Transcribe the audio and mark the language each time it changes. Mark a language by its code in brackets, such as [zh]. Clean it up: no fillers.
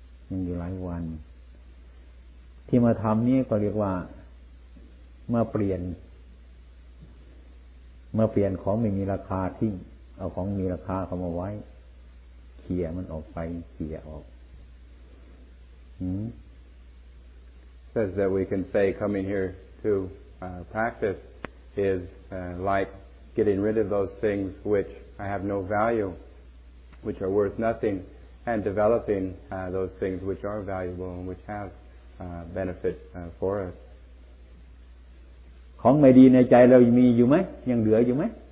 [th] ยังอยู่หลายวันที่มาทำนี่ก็เรียกว่ามาเปลี่ยนของไม่มีราคาทิ้งเอาของมีราคาเขามาไว้เคลียร์มันออกไปเคลียร์ออก [en] says that we can say coming here to practice is like getting rid of those things which I have no value which are worth nothing and developing those things which are valuable and which have benefit for us [th] ของไม่ดีในใจเรามีอยู่ไหมยังเหลืออยู่ไหม